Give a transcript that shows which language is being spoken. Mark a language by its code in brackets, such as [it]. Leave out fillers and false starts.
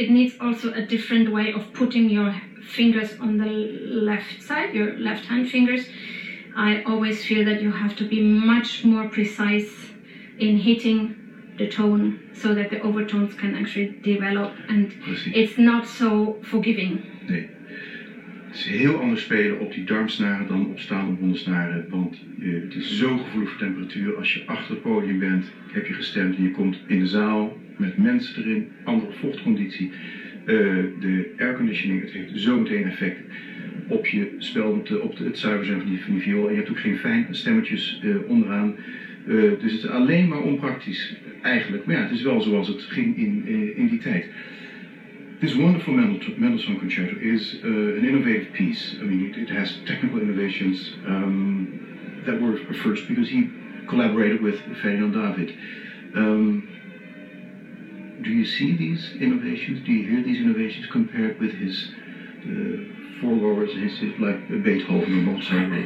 [en] It needs also a different way of putting your fingers on the left side, your left hand fingers. I always feel that you have to be much more precise in hitting the tone, so that the overtones can actually develop, and it's not so forgiving. [nl] Nee. Het is heel anders spelen op die darmsnaren dan op staande bondsnaren, want het is zo gevoelig voor temperatuur. Als je achter het podium bent, heb je gestemd en je komt in de zaal met mensen erin, andere vochtconditie. De airconditioning, het heeft zo meteen effect op je spel, op het zuiver zijn van die viool. En je hebt ook geen fijne stemmetjes onderaan. Dus het is alleen maar onpraktisch. Eigenlijk, maar ja, het is wel zoals het ging in die tijd. [en] This wonderful Mendelssohn concerto is an innovative piece. I mean, it has technical innovations that were a first, because he collaborated with Ferdinand David. Do you see these innovations? Do you hear these innovations compared with his forebears, like Beethoven or Mozart?